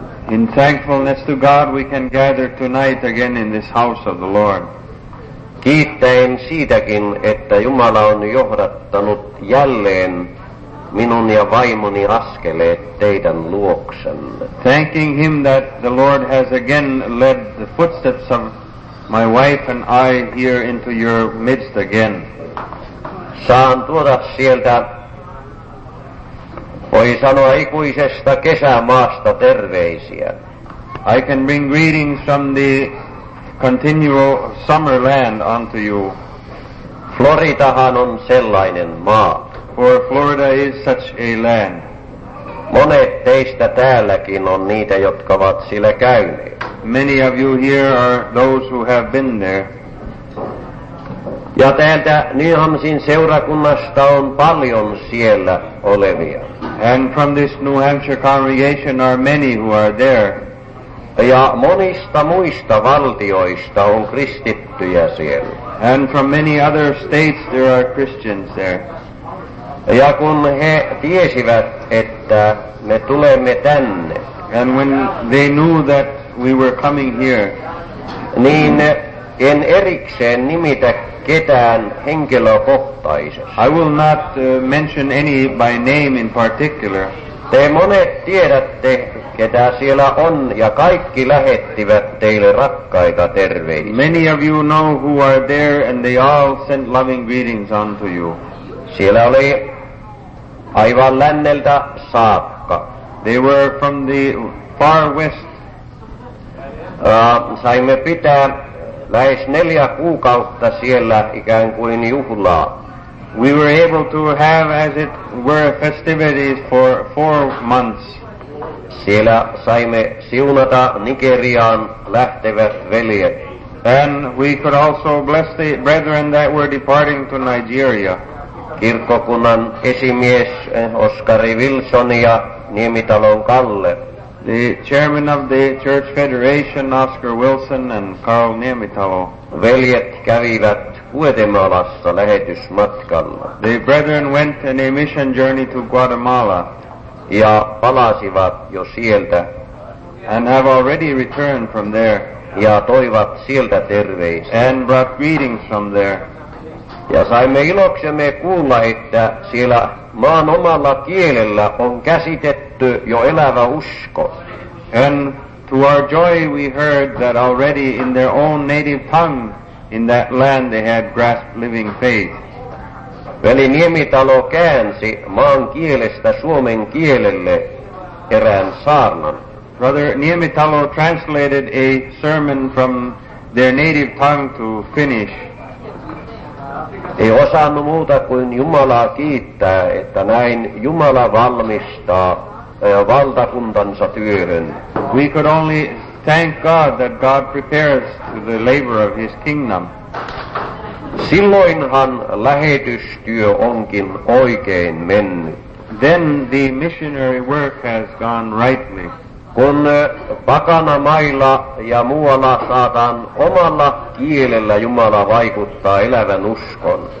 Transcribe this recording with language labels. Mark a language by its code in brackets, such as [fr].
[en] In thankfulness to God, we can gather tonight again in this house of the Lord. [fi] Kiittäen siitäkin, että Jumala on johdattanut jälleen minun ja vaimoni askeleet teidän luoksenne. [en] Thanking him that the Lord has again led the footsteps of my wife and I here into your midst again. [fi] Saan tuoda sieltä, voi sanoa ikuisesta kesämaasta terveisiä. [en] I can bring greetings from the continual summer land unto you. [fi] Floridahan on sellainen maa. [en] For Florida is such a land. [fi] Monet teistä täälläkin on niitä, jotka ovat sillä käyneet. [en] Many of you here are those who have been there. [fi] Ja täältä Newhamsin seurakunnasta on paljon siellä olevia. [en] And from this New Hampshire congregation are many who are there. [fi] Ja monista muista valtioista on kristittyjä siellä. [en] And from many other states there are Christians there. [fi] Ja kun he tiesivät, että me tulemme tänne. [en] And when they knew that we were coming here. [fi] Niin en erikseen nimitä ketään henkilökohtaisesti. [en] I will not mention any by name in particular. [fi] Te monet tiedätte, ketä siellä on, ja kaikki lähettivät teille rakkaita terveisiä. [en] Many of you know who are there, and they all sent loving greetings unto you. [fi] Siellä oli aivan länneltä saakka. [en] They were from the far west. [fi] Saimme pitää lähes 4 kuukautta siellä ikään kuin juhlaa. [en] We were able to have, as it were, festivities for 4 months. [fi] Siellä saimme siunata Nigeriaan lähtevät veljet. [en] And we could also bless the brethren that were departing to Nigeria. [fi] Kirkkokunnan esimies Oskari Wilson ja Niemitalon Kalle. [en] The chairman of the Church Federation, Oscar Wilson and Carl Niemitalo. [fi] Veljet kävivät Guatemalassa lähetysmatkalla. [en] The brethren went on a mission journey to Guatemala. [fi] Ja palasivat jo sieltä. [en] And have already returned from there. [fi] Ja toivat sieltä terveisiä. [en] And brought greetings from there. [fi] Ja saimme iloksemme kuulla, että siellä maan omalla kielellä on käsitetty jo elävä usko. [en] And to our joy we heard that already in their own native tongue in that land they had grasped living faith. [fi] Veli Niemitalo käänsi maan kielestä suomen kielelle erään saarnan. [en] Brother Niemitalo translated a sermon from their native tongue to Finnish. [fi] Ei osannut muuta kuin Jumalaa kiittää, että näin Jumala valmistaa valtakuntansa työhön. [en] We could only thank God that God prepares the labor of his kingdom. [fi] Silloinhan lähetystyö onkin oikein mennyt. [en] Then the missionary work has gone rightly. [fi] Kun pakana mailla ja muualla saadaan omalla kielellä Jumala vaikuttaa elävän uskon.